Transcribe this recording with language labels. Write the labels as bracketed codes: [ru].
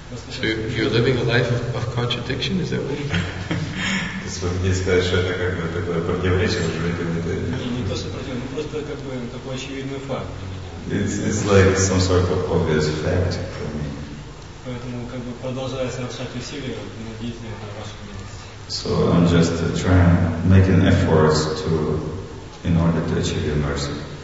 [en] So you're living a life of contradiction, is that what you mean? [ru] Не сказать, что это как бы такое противоречие, может быть, или это... Не то, что противоречие, но просто как бы такой очевидный факт. [en] It's like some sort of obvious fact for me. [ru] Поэтому как бы продолжая совершать усилия, надеюсь на вашу милость. [en] So I'm just trying, making efforts to, in order to achieve your mercy.